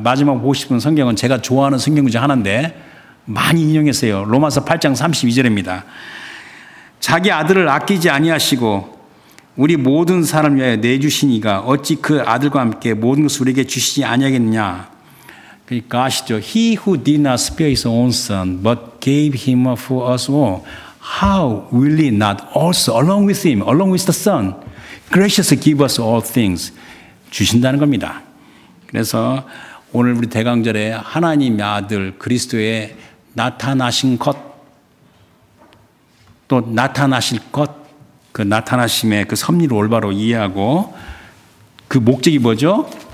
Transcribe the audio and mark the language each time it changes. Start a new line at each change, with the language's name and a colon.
Korean: 마지막 보고 싶은 성경은 제가 좋아하는 성경 중 하나인데 많이 인용했어요. 로마서 8장 32절입니다. 자기 아들을 아끼지 아니하시고 우리 모든 사람을 위하여 내주시니가 어찌 그 아들과 함께 모든 것을 우리에게 주시지 아니하겠느냐. 그러니까 아시죠.
English: He who did not spare his own son but gave him up for us all. How will he not also along with him, along with the son graciously give us all things.
Korean: 주신다는 겁니다. 그래서 오늘 우리 대강절에 하나님의 아들 그리스도의 나타나신 것, 또 나타나실 것, 그 나타나심의 그 섭리를 올바로 이해하고 그 목적이 뭐죠?